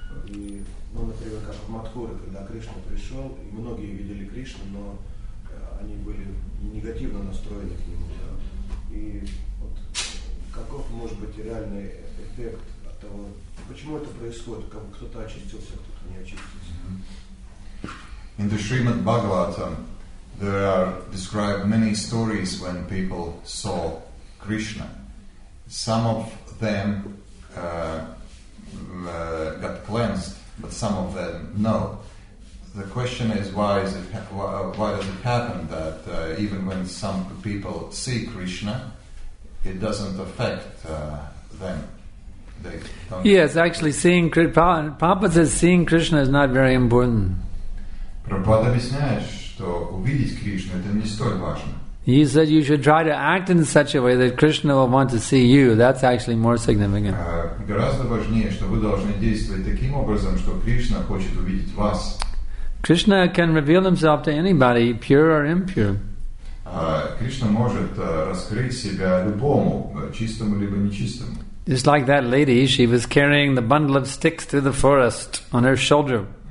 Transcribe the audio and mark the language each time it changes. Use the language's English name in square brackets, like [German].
[Russian] И, ну, например, как в Мадхуре, когда Кришна пришел, и многие видели Кришну, но они были негативно настроены к нему. Да? И вот каков может быть реальный эффект от того, почему это происходит, как кто-то очистился, кто-то не очистился? [English] In the Srimad Bhagavatam, there are described many stories when people saw Krishna. Some of them got cleansed, but some of them no. The question is, why does it happen that even when some people see Krishna, it doesn't affect them? They don't. Yes, actually, seeing Krishna. Prabhupada says seeing Krishna is not very important. [Russian] Prabhupada объясняет, что увидеть Кришну это не столь важно. [English] He said you should try to act in such a way that Krishna will want to see you. That's actually more significant. [Russian] Гораздо важнее, что вы должны действовать таким образом, что Кришна хочет увидеть вас. [English] Krishna can reveal himself to anybody, pure or impure. [Russian] Кришна может раскрыть себя любому, чистому либо нечистому. [English] Just like that lady, she was carrying the bundle of sticks through the forest on her shoulder.